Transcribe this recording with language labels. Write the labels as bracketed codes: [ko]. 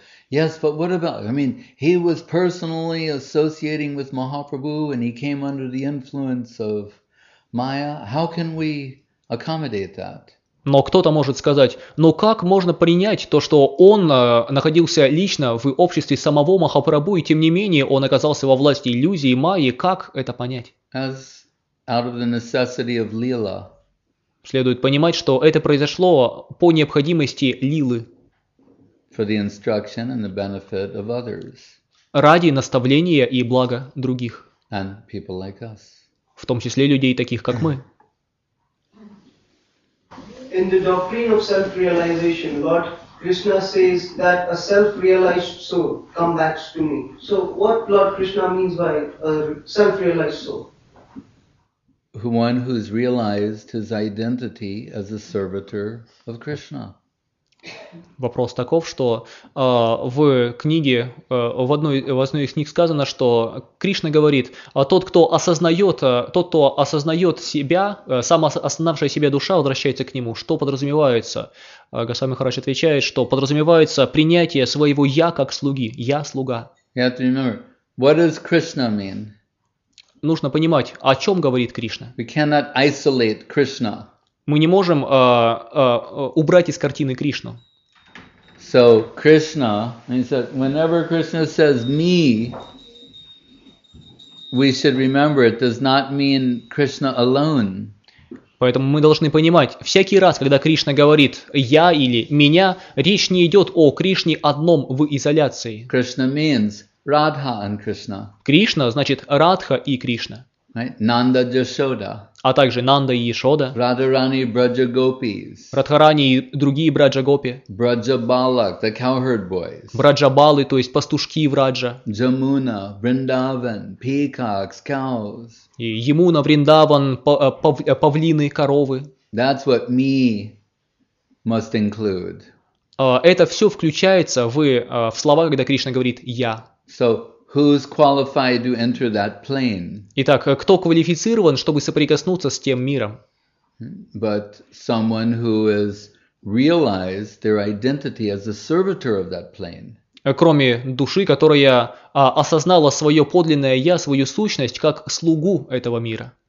[en] Yes, but what about, I mean, he was personally associating with Mahaprabhu and he came under the influence of Maya. How can we accommodate that? [ru] Но кто-то может сказать, но как можно принять то, что он находился лично в обществе самого Махапрабху, и тем не менее он оказался во власти иллюзии Майи, как это понять? [en] As out of the necessity of Lila. [ru] Следует понимать, что это произошло по необходимости Лилы. [en] For the instruction and the benefit of others. [ru] Ради наставления и блага других. [en] And people like us. [ru] В том числе людей таких, как мы. [en] In the doctrine of self-realization, Lord Krishna says that a self-realized soul comes back to me. So what Lord Krishna means by a self-realized soul? One who's realized his identity as a servitor of Krishna. [ru] Вопрос таков, что в книге, в одной из книг сказано, что Кришна говорит, тот, кто осознает себя, самоосознавшая себя душа возвращается к нему. Что подразумевается? Госвами Махарадж отвечает, что подразумевается принятие своего «я» как слуги, «я слуга». [en] You have to remember, what does Krishna mean? [ru] нужно понимать, о чем говорит Кришна. [en] We cannot isolate Krishna. [ru] Мы не можем убрать из картины Кришну. [en] So Krishna, he said, whenever Krishna says me, we should remember it does not mean Krishna alone. [ru] Поэтому мы должны понимать, всякий раз, когда Кришна говорит «я» или «меня», речь не идет о Кришне одном в изоляции. [en] Krishna means Radha and Krishna. [ru] Кришна значит Радха и Кришна. [en] Right? Nanda Yashoda. [ru] А также Нанда и Яшода. Радхарани и Браджа Гопис. Радхарани и другие Браджа Гопи. [en] Браджа Балак, the cowherd boys. [ru] Браджа Балы, то есть пастушки Враджа. [en] Джамуна, Вриндаван, peacocks, cows. [ru] И Ямуна, Вриндаван, павлины, коровы. [en] That's what me must include. [ru] Это все включается в слова, когда Кришна говорит «я». [en] So, who's qualified to enter that plane? [ru] Итак, кто квалифицирован, чтобы соприкоснуться с тем миром? [en] But someone who has realized their identity as a servitor of that plane. [ru] Кроме души, которая осознала свое подлинное я, свою сущность как слугу этого мира.